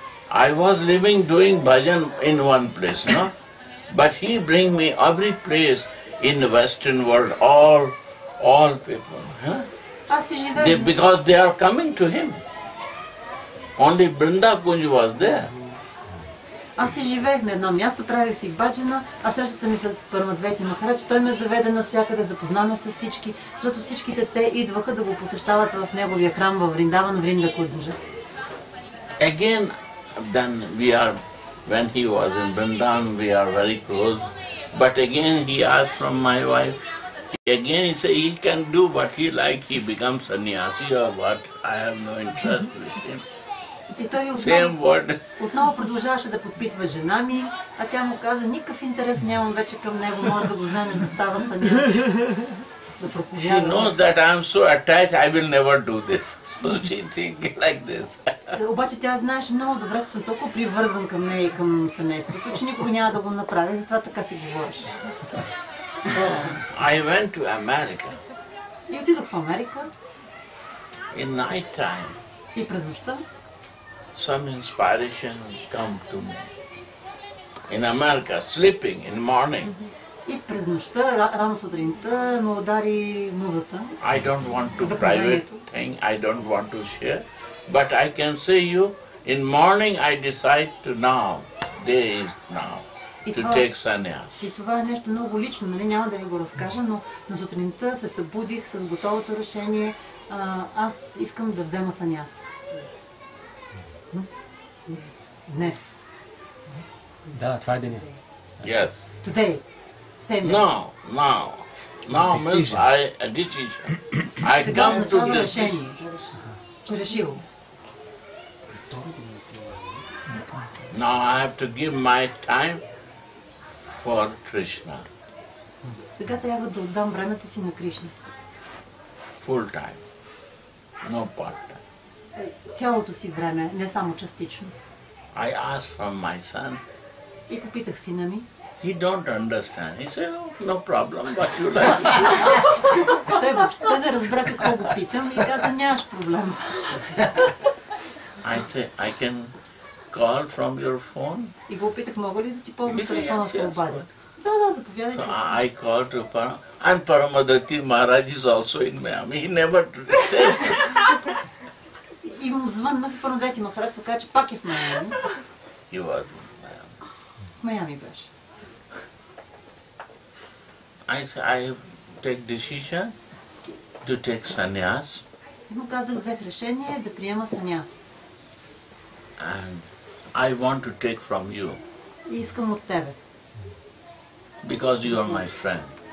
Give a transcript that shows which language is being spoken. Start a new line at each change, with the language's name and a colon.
English: I was living doing bhajan in one place, no? But he bring me every place in the Western world, all people, huh? Because they are coming to him. Only Vrindavan Kunj was there.
Bulgarian: Аз си живеех на едно място, правих си баджана, а срещата ми с Парамадвайти Махараджа, той ме заведе навсякъде, запознаме с всички, защото всичките те идваха да го посещават в неговия храм във Вриндаван, Вринда Куджа.
English: Again, then we are, when he was in Vrindavan, we are very close. But again he asked from my wife, again he said he can do what he likes, he becomes sannyasi or what, I have no interest with him.
Bulgarian: И той отново продължаваше да подпитва жена ми, а тя му каза, никакъв интерес нямам вече към него, може да го знаеш да става съняш.
English: She knows that I am so attached, I will never do this. So she thinks like this.
Bulgarian: Обаче тя знаеше много добре, че съм толкова привързан към нея и към семейството, че никога няма да го направя, затова така си говореше.
English: I went to America.
Bulgarian: И отидох в Америка.
English: In night time.
Bulgarian: И през нощта.
English: Some inspiration come to me in America, sleeping in morning.
Bulgarian: И през нощта, рано сутринта, ме удари музата.
English: I don't want to private thing, I don't want to share, but I can say you, in morning I decide to now, day is now, to take sannyas.
Bulgarian: И това е нещо много лично, нали? Няма да ви го разкажа, но на сутринта се събудих с готовото решение, аз искам да взема сannyas. Днес. Да, това е деня.
English: Yes. Today. Same day. Now, now. Now means I a decision. I come to this
Bulgarian: решение. Че решил.
English: Now I have to give my time for Krishna.
Bulgarian: Сега трябва да отдам времето си на Кришна.
English: Full time. No part time.
Bulgarian: Цялото си време, не само частично.
English: I asked from my son. И попитах сина ми. He don't understand. He said, no problem, what you like.
Bulgarian: Той въобще не разбра какво го питам и каза, нямаш проблем.
English: I say, I can call from your phone.
Bulgarian: И го опитах, мога ли да ти ползвам телефона, се обадя. Да, да, заповядай.
English: So I called to Paramadvaiti. And Paramadvaiti Maharaj is also in Miami. He never stays.
Bulgarian: И му звъннах в Парамадвайти Махараджа, каза, че пак е в Майами.
English: He was in Miami.
Bulgarian: В Майами беше.
English: I said, I take decision to take sannyas.
Bulgarian: И му казах, взех решение да приема sannyas.
English: And I want to take from you.
Bulgarian: И искам от тебе.
English: Because you are my friend.